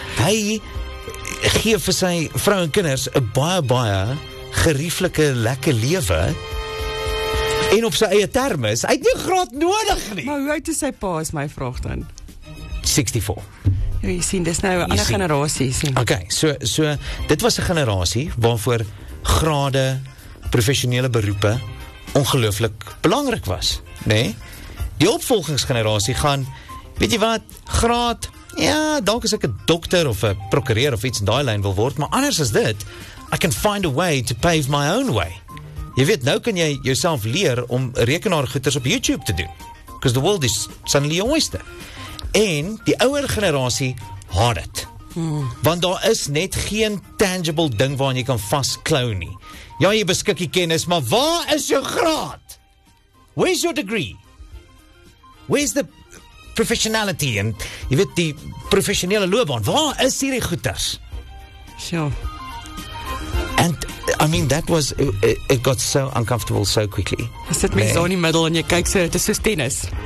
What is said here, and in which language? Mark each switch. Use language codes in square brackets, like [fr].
[af] Hy gee vir sy vrou en kinders een baie, baie gerieflike, lekker lewe. En op sy eie term is, hy het nie graad nodig nie. Maar hoe oud is sy pa, is my vraag dan? 64. Jy sien, dis nou een ander generatie. Ok, so, dit was een generatie waarvoor grade, professionele beroepe ongelooflik belangrijk was. Nee? Die opvolgingsgeneratie gaan, weet jy wat, graad, ja, dalk as ek een dokter of een procureur of iets in die lijn wil word, maar anders as dit, [en] I can find a way to pave my own way. [af] Jy weet, nou kan jy jouself leer om rekenaargoeders op YouTube te doen. [en] Because the world is suddenly your oyster. [af] En die ouwe generatie had het. Want daar is net geen tangible ding waar jy kan vastklou nie. Ja, jy beskik die kennis, maar waar is jou graad? [en] Where's your degree? Where's the professionality? [af] En jy weet, die professionele loopbaan. Waar is hierdie goeders? So. [en] And, I mean, that was, it got so uncomfortable so quickly. [af] Jy sit mens daar in die middel en jy kyk, so, het is soos tennis.